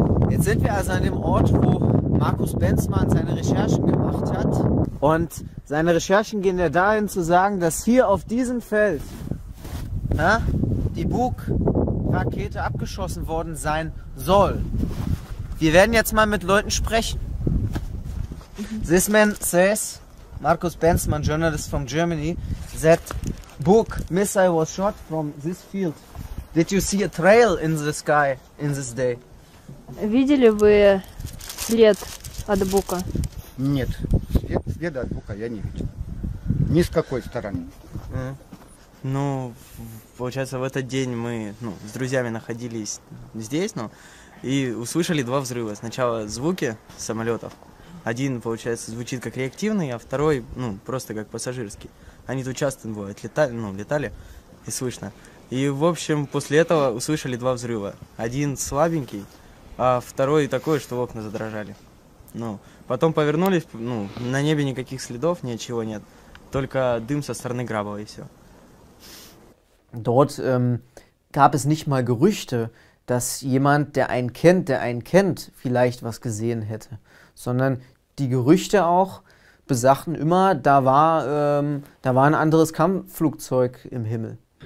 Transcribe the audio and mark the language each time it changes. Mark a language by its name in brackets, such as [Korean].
[German] Jetzt sind wir also an dem Ort, wo Markus Benzman seine Recherchen gemacht hat. Und seine Recherchen gehen ja dahin zu sagen, dass hier auf diesem Feld die Bug-Rakete abgeschossen worden sein soll. Wir werden jetzt mal mit Leuten sprechen. [English] This man says, Markus Benzman, journalist from Germany, that Bug missile was shot from this field. Did you see a trail in the sky in this day? [Russian] Видели вы след от бука? Нет, следа от бука я не видел. Ни с какой стороны. Ну, получается, в этот день мы с друзьями находились здесь, и услышали два взрыва. Сначала звуки самолетов. Один, получается, звучит как реактивный, а второй, просто как пассажирский. Они тут часто бывают, летали, и слышно. И, в общем, после этого услышали два взрыва. Один слабенький, а второй такой, что окна задрожали. Потом повернулись, на небе никаких следов, ничего нет. Только дым со стороны Граба и все. [German] Dort gab es nicht mal Gerüchte, dass jemand, der einen kennt, vielleicht was gesehen hätte. Sondern die Gerüchte auch besagten immer, da war ein anderes Kampfflugzeug im Himmel.